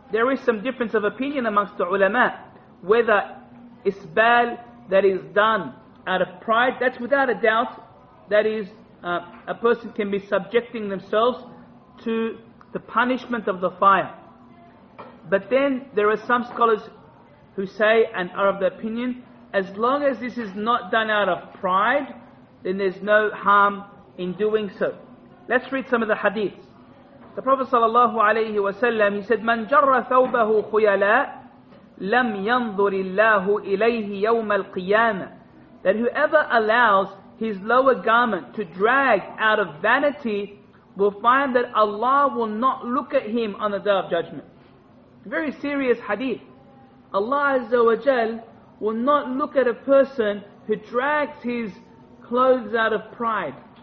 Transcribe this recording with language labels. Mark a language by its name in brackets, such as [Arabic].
[English] there is some difference of opinion amongst the ulama whether isbal that is done out of pride, that's without a doubt, that is a person can be subjecting themselves to the punishment of the fire. But then there are some scholars who say and are of the opinion, as long as this is not done out of pride, then there's no harm in doing so. Let's read some of the hadiths. The Prophet sallallahu alayhi wa sallam, he said, [Arabic] مَنْ جَرَّ ثَوْبَهُ خُيَلًا لَمْ يَنْظُرِ اللَّهُ إِلَيْهِ يَوْمَ الْقِيَامَةِ. [English] That whoever allows his lower garment to drag out of vanity will find that Allah will not look at him on the Day of Judgment. Very serious hadith. Allah Azza wa Jal will not look at a person who drags his clothes out of pride.